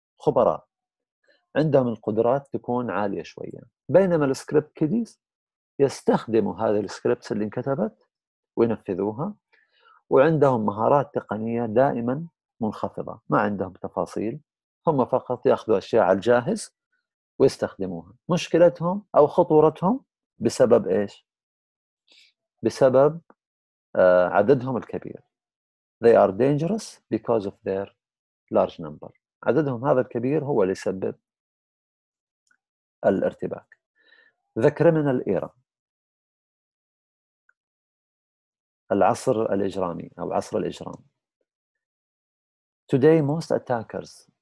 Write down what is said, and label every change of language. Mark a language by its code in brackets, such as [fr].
[ar] خبراء عندهم القدرات تكون عالية شوية، بينما السكريبت كيديز يستخدموا هذه السكريبتس اللي انكتبت وينفذوها، وعندهم مهارات تقنية دائما منخفضة، ما عندهم تفاصيل، هم فقط يأخذوا أشياء على الجاهز ويستخدموها. مشكلتهم أو خطورتهم بسبب إيش؟ بسبب عددهم الكبير. [en] They are dangerous because of their large number. [ar] عددهم هذا الكبير هو اللي يسبب الارتباك. [en] The criminal era. [ar] العصر الإجرامي أو عصر الإجرام. [en] Today most attackers.